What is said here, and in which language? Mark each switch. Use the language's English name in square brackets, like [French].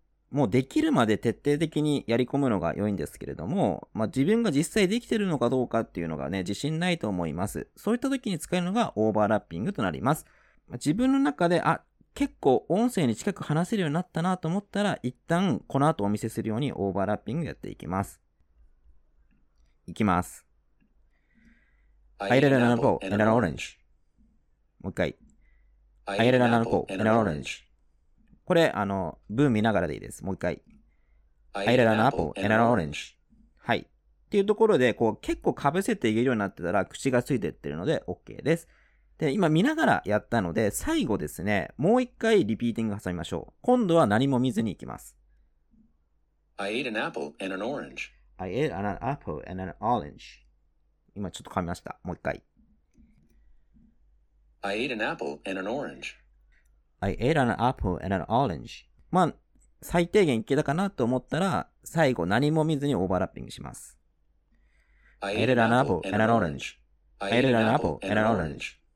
[Japanese] もうできるまで徹底的にやり込むのが良いんですけれども、まあ自分が実際できてるのかどうかっていうのがね、自信ないと思います。そういった時に使えるのがオーバーラッピングとなります。自分の中で、あ、結構音声に近く話せるようになったなと思ったら、一旦この後お見せするようにオーバーラッピングやっていきます。いきます。 [English] I ate an apple and an orange. [Japanese] もう一回。 [English] I ate an apple and an orange. [Japanese] これ、文見ながらでいいです。もう一回。 [English] I ate an apple and an orange. [Japanese] はい。っていうところで、こう、結構かぶせて言えるようになってたら、口がついてってるので、OK です。で、今見ながらやったので、最後ですね、もう一回リピーティング挟みましょう。今度は何も見ずにいきます。 [English] I ate an apple and an orange. I ate an apple and an orange. [Japanese] 今ちょっと噛みました。もう一回。 [English] I ate an apple and an orange. I ate an apple and an orange. [Japanese] まあ、最低限いけたかなと思ったら、最後何も見ずにオーバーラッピングします。 [English] I ate an apple and an orange. I ate an apple and an orange.